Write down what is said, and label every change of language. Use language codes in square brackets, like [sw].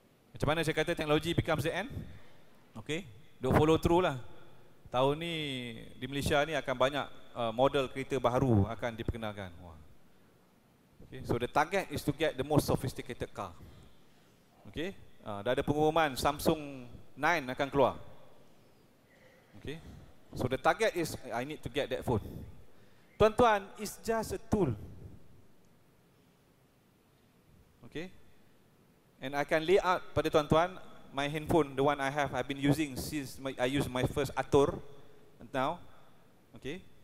[ms] Macam mana saya kata [en] technology becomes the end? Okay, don't follow through lah. [ms] Tahun ni, di Malaysia ni akan banyak model kereta baru akan diperkenalkan. Wah. [en] Okay, so the target is to get the most sophisticated car. [ms] Okay, dah ada pengumuman Samsung 9 akan keluar. [en] Okay, so the target is I need to get that phone. Tuan-tuan, it's just a tool. Okay, and I can lay out [ms] pada tuan-tuan [en] my handphone, the one I have, I've been using since I use my first Atur now. Okay,